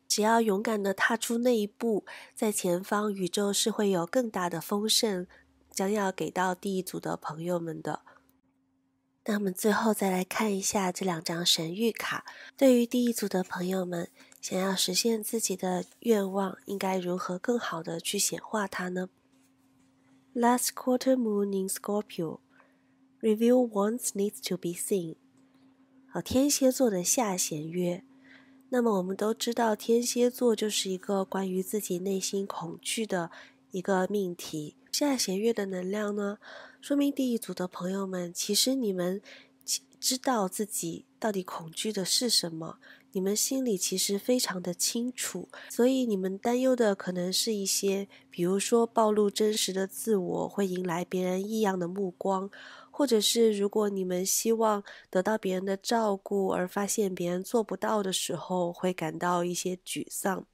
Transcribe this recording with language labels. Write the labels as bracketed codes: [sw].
[zh] 只要勇敢地踏出那一步，在前方宇宙是会有更大的丰盛将要给到第一组的朋友们的。那么最后再来看一下这两张神谕卡，对于第一组的朋友们，想要实现自己的愿望应该如何更好地去显化它呢？ [en] Last quarter moon in Scorpio Reveal wants needs to be seen。 [zh] 好，天蝎座的下弦月。那么我们都知道天蝎座就是一个关于自己内心恐惧的一个命题。下弦月的能量呢，说明第一组的朋友们，其实你们知道自己到底恐惧的是什么，你们心里其实非常的清楚，所以你们担忧的可能是一些比如说暴露真实的自我会迎来别人异样的目光，或者是如果你们希望得到别人的照顾而发现别人做不到的时候会感到一些沮丧。